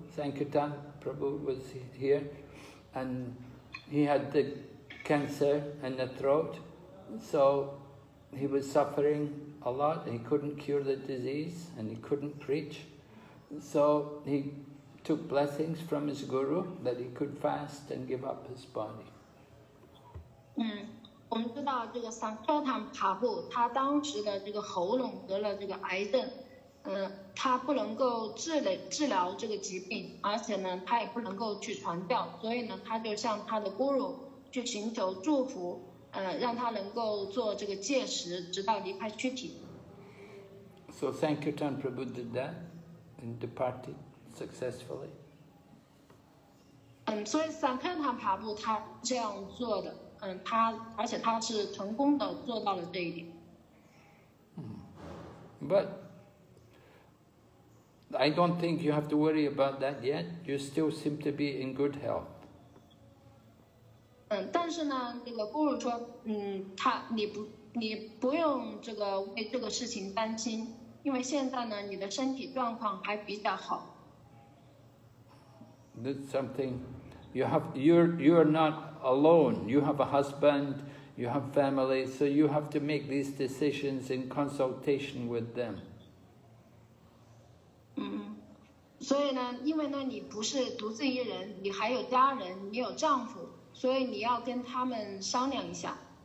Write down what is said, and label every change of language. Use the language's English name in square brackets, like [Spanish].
[English] Sankirtan Prabhu was here, and he had the cancer in the throat, so he was suffering a lot. He couldn't cure the disease, and he couldn't preach. So he took blessings from his guru that he could fast and give up his body. [Chinese] 我们知道这个桑克坦帕布他当时的这个喉咙得了这个癌症，他不能够治疗这个疾病，而且呢他也不能够去传教，所以呢他就向他的 guru 去寻求祝福，让他能够做这个戒食直到离开躯体。 [English] So Sankirtan Prabhu did that and departed successfully. [Chinese] 所以桑克坦帕布他这样做的，他而且他是成功的做到了这一点。 [English] But I don't think you have to worry about that yet. You still seem to be in good health. [Chinese] 但是呢，这个Guru说，你不用这个为这个事情担心，因为现在呢，你的身体状况还比较好。 [English] That's something. You're not alone. You have a husband, you have family, so you have to make these decisions in consultation with them. [Chinese] 所以呢，因为呢，你不是独自一人，你还有家人，你有丈夫，所以你要跟他们商量一下。